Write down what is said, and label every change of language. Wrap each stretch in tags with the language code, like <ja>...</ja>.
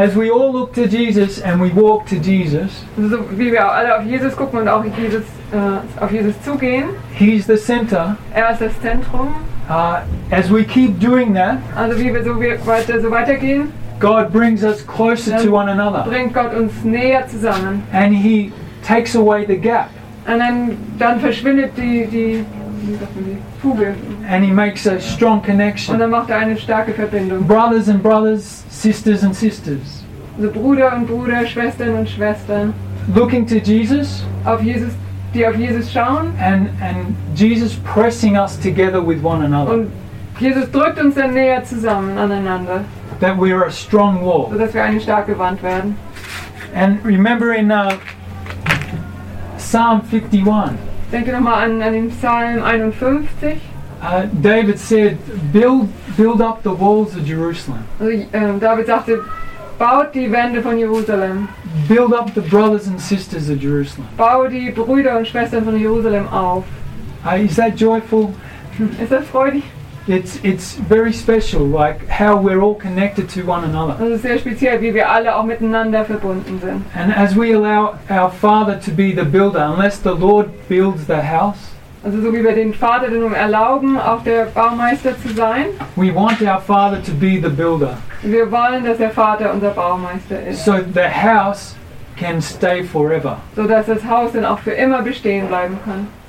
<en>As we all look to Jesus and we walk to Jesus.</en> <de>So, wie wir alle auf Jesus gucken und auch auf Jesus zugehen.</de> <en>He's the center.</en> <de>Er ist das Zentrum.</de> <en>As we keep doing that,</en> <de>also wie wir so weitergehen,</de> <en>God brings us closer to one another.</en> <de>Bringt Gott uns näher zusammen.</de> <en>And He takes away the gap.</en> <de>And dann verschwindet die Fuge.</de> <en>And He makes a strong connection.</en> <de>Und dann macht eine starke Verbindung.</de> <en>Brothers and brothers, sisters and sisters.</en> <de>Also Brüder und Brüder, Schwestern und Schwestern.</de> <en>Looking to Jesus.</en> <de>Auf Jesus. Die auf Jesus schauen.</de> <en>And Jesus pressing us together with one another.</en> <de>Und Jesus drückt uns dann näher zusammen aneinander.</de> <en>That we are a strong wall.</en> <de>So dass wir eine starke Wand werden.</de> <en>And remember in Psalm 51.</en> <de>Denke nochmal an den Psalm 51.</de> <en>David said, build up the walls of Jerusalem.</en> <de>Also, David sagte, baut die Wände von Jerusalem.</de> <en>Build up the brothers and sisters of Jerusalem.</en> <de>Bau die Brüder und Schwestern von Jerusalem auf.</de> <en>Is that joyful?</en> <de>Ist das freudig?</de> <en>It's very special, like how we're all connected to one another.</en> <de>Das ist sehr speziell, wie wir alle auch miteinander verbunden sind.</de> <en>And as we allow our Father to be the builder, unless the Lord builds the house.</en> <de>Also so wie wir den Vater nun erlauben, auch der Baumeister zu sein.</de> <en>We want our Father to be the builder.</en> <de>Wir wollen, dass der Vater unser Baumeister ist.</de> <en>So the house can stay forever.</en> <de>So dass das Haus dann auch für immer bestehen bleiben kann.</de>